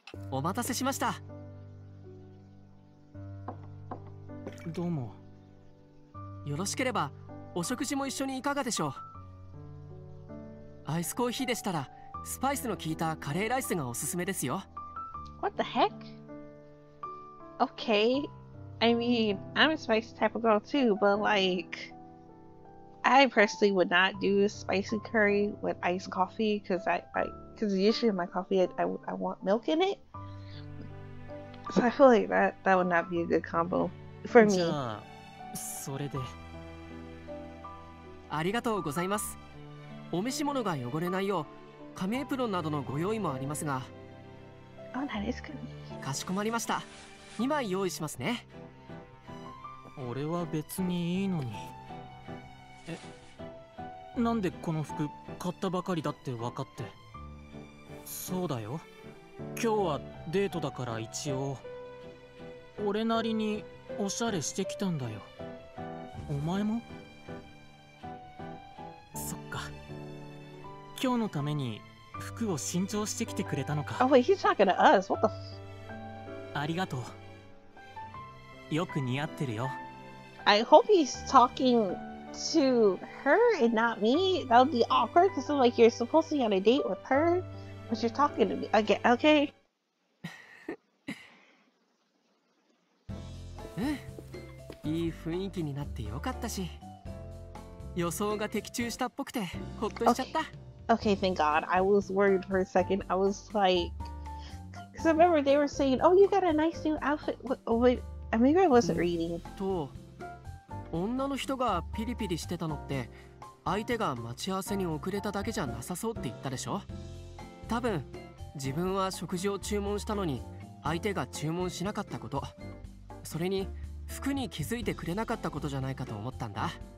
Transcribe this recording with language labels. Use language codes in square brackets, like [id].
[ja] お待たせしました。どうも。よろしければお食事も一緒にいかがでしょう。アイスコーヒーでしたらスパイスの効いたカレーライスがおすすめですよ。 [en] What the heck? Okay, I mean, I'm a spicy type of girl too, but like, I personally would not do spicy curry with iced coffee because usually in my coffee I want milk in it. So I feel like that would not be a good combo for me. [ja] じゃあ、それで。ありがとうございます。お召し物が汚れないよう。紙エプロンなどのご用意もありますが。 [en] Oh, that is good. [ja] かしこまりました。2枚用意しますね。俺は別にいいのに。なんでこの服買ったばかりだって分かって。そうだよ、今日はデートだから一応俺なりにおしゃれしてきたんだよ。お前も？そっか、今日のために服を新調してきてくれたのか。 [en] Oh wait, he's talking to us. What the f- [ja] ありがとう。よく似合ってるよ。 [en] I hope he's talking to her and not me. That would be awkward because I'm like, you're supposed to be on a date with her, but you're talking to me again. Okay. [ja] いい雰囲気になってよかったし、予想が的中したっぽくてほっとしちゃった。 [en] Okay, thank God. I was worried for a second. I was like, because I remember they were saying, oh, you got a nice new outfit. Wait, maybe I wasn't reading. [ja] と、女の人がピリピリしてたのって、相手が待ち合わせに遅れただけじゃなさそうって言ったでしょ。多分、自分は食事を注文したのに、相手が注文しなかったこと。それに、服に気づいてくれなかったことじゃないかと思ったんだ。